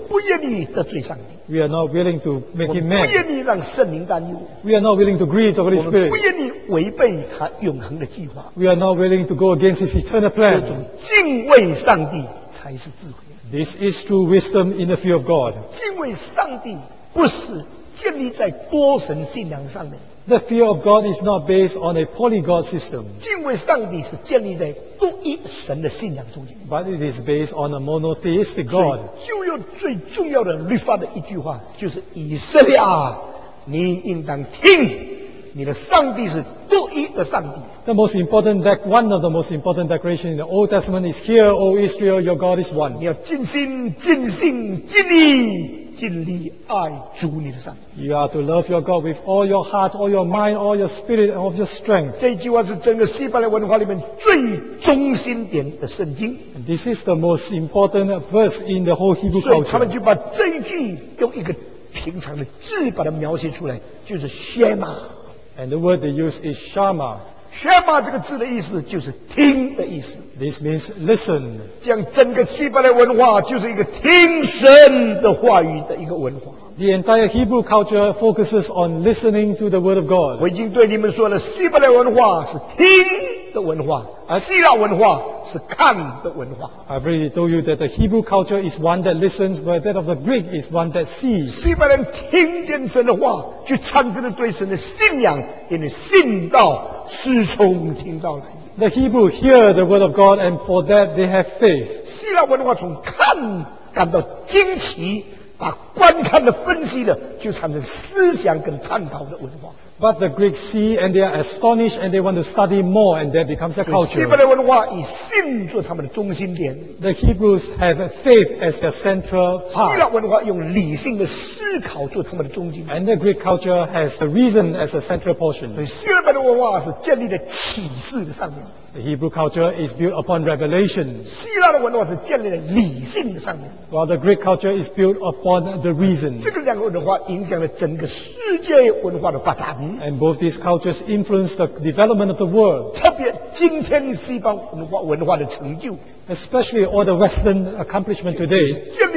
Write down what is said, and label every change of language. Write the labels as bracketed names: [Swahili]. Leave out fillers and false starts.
[Chinese] 不愿意得罪上帝 [English] ，We are not willing to make Him mad， [Chinese] 不愿意让圣灵担忧 [English] ，We are not willing to grieve the Holy Spirit， [Chinese] 不愿意违背他永恒的计划 [English] ，We are not willing to go against His eternal plan。 [Chinese] 这种敬畏上帝才是智慧。 [English] This is true wisdom in the fear of God。 [Chinese] 敬畏上帝不是。建立在多神信仰上面。 [English] The fear of God is not based on a polygod system. [Chinese] 敬畏上帝是建立在独一神的信仰中间。 [English] But it is based on a monotheistic God. [Chinese] 旧约最重要的律法的一句话就是：“以色列啊，你应当听，你的上帝是独一的上帝。” [English] The most important one of the most important declarations in the Old Testament is: "Hear, O Israel, your God is one." [Chinese] 你要尽心、尽性、尽力。尽力爱主你的上帝。 [English] You are to love your God with all your heart, all your mind, all your spirit, and all your strength. [Chinese] 这句话是整个希伯来文化里面最中心点的圣经。 [English] And this is the most important verse in the whole Hebrew culture. [Chinese] 所以他们就把这一句用一个平常的字把它描写出来，就是 Shema. [English] And the word they use is Shema. [Chinese] Shema 这个字的意思就是听的意思。 [English] This means listen. [Chinese] 这样整个希伯来文化就是一个听神的话语的一个文化。 [English] The entire Hebrew culture focuses on listening to the word of God. [Chinese] 我已经对你们说了，希伯来文化是听的文化，而希腊文化是看的文化。 [English] I've already told you that the Hebrew culture is one that listens, but that of the Greek is one that sees. [Chinese] 希伯来人听见神的话，就产生了对神的信仰，因为信道是从听道来。 [English] The Hebrew hear the word of God, and for that they have faith. [Chinese] 希腊文化从看感到惊奇，把观看的分析的，就产生思想跟探讨的文化。 [English] But the Greeks see and they are astonished and they want to study more and that becomes their culture. [Chinese] 希伯来文化以信做他们的中心点, [English] the Hebrews have a faith as their central part. [Chinese] 希腊文化用理性的思考做他们的中心点, [English] and the Greek culture has the reason as the central portion. [Chinese] 希伯来文化是建立在启示的上面, [English] the Hebrew culture is built upon revelation. [Chinese] 希腊的文化是建立在理性的上面, [English] while the Greek culture is built upon the reason. [Chinese] 这两个文化影响了整个世界文化的发展, [English] and both these cultures influence the development of the world. [Chinese] 特别今天西方文化的成就, [English] especially all the Western accomplishment today.